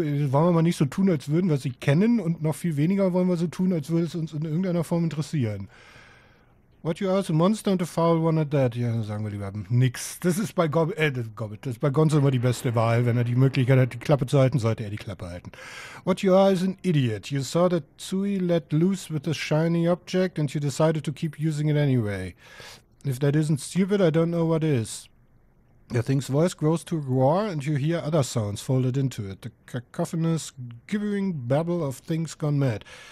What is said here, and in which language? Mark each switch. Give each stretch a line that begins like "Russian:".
German: Das wollen wir mal nicht so tun, als würden wir sie kennen, und noch viel weniger wollen wir so tun, als würde es uns in irgendeiner Form interessieren.
English: What you are is a monster and a foul one at that.
German: Ja, sagen wir lieber nix. Das ist bei Gonzo immer die beste Wahl. Wenn er die Möglichkeit hat, die Klappe zu halten, sollte er die Klappe halten.
English: What you are is an idiot. You saw that Tsui let loose with a shiny object and you decided to keep using it anyway. If that isn't stupid, I don't know what is. The thing's voice grows to a roar and you hear other sounds folded into it. The cacophonous, gibbering babble of things gone mad.